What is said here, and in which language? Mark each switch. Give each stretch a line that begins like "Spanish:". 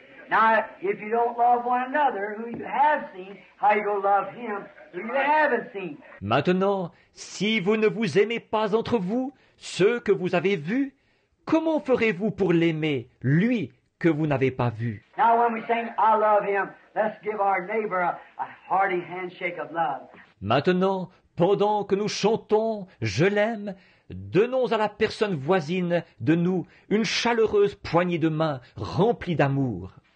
English: Now, if you don't love one another, who you have seen, how you go love him who you haven't seen?
French: Maintenant, si vous ne vous aimez pas entre vous, ceux que vous avez vus, comment ferez-vous pour l'aimer, lui que vous n'avez pas vu?
English: Now, when we sing, I love him, let's give our neighbor a hearty handshake of love.
French: Maintenant, pendant que nous chantons, je l'aime, donnons à la personne voisine de nous une chaleureuse poignée de main remplie d'amour.